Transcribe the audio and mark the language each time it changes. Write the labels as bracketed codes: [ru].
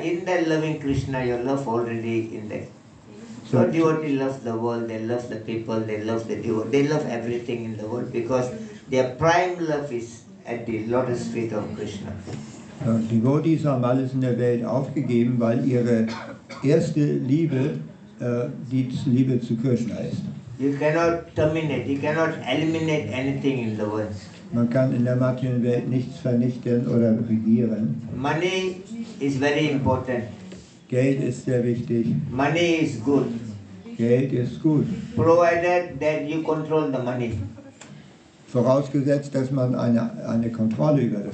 [en] In the loving Krishna, your love already in there. So devotee loves the world, they love the people, they love the devotee, they love everything in the world because their prime love is at the lotus feet of Krishna. [de] Devotees haben alles in der Welt aufgegeben, weil ihre erste Liebe die Liebe zu Krishna ist. [en] You cannot terminate, you cannot eliminate anything in the world. [de] Man kann in der materiellen Welt nichts vernichten oder regieren. [en] Money is very important. [de] Geld ist sehr wichtig. [en] Money is good. [de] Geld ist gut. [en] Provided that you control the money. [de] Vorausgesetzt, dass man eine Kontrolle über das